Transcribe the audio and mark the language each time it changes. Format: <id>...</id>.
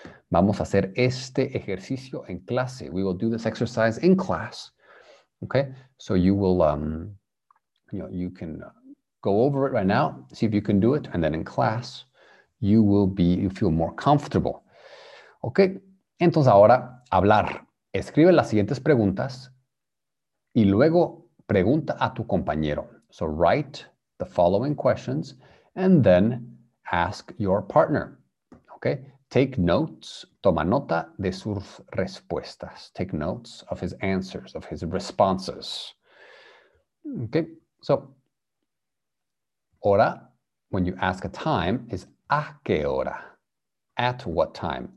<es>Vamos a hacer este ejercicio en clase.</es> <en>We will do this exercise in class. Okay, so you will, you can go over it right now, see if you can do it, and then in class, you feel more comfortable.</en> <es>Okay, entonces ahora hablar. Escribe las siguientes preguntas y luego pregunta a tu compañero.</es> <en>So write the following questions and then ask your partner. Okay, take notes.</en> <es>Toma nota de sus respuestas.</es> <en>Take notes of his answers, of his responses. Okay, so hora, when you ask a time, is</en> <es>a qué hora?</es> <en>At what time?</en>